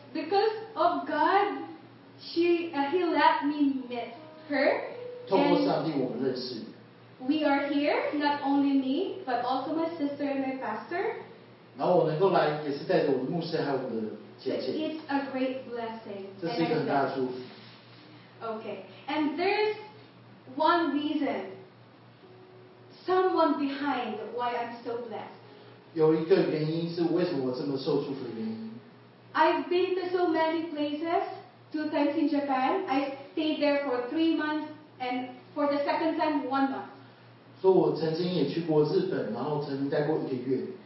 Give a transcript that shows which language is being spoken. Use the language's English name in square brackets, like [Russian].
[English] because of God, he let me meet her. [Chinese] 透过上帝，我们认识。We [English] are here, not only me, but also my sister and my pastor. [Chinese] 然后我能够来，也是带着我的牧师还有我的。 [English] It's a great blessing. [Chinese] 这是一个很大的祝福。 [English] Okay, and there's one reason, someone behind why I'm so blessed. [Chinese] 有一个原因是为什么我这么受祝福的原因。 [English] I've been to so many places, 2 times in Japan. I stayed there for 3 months, and for the second time, 1 month. [Chinese] 所以我曾经也去过日本，然后曾经待过一个月。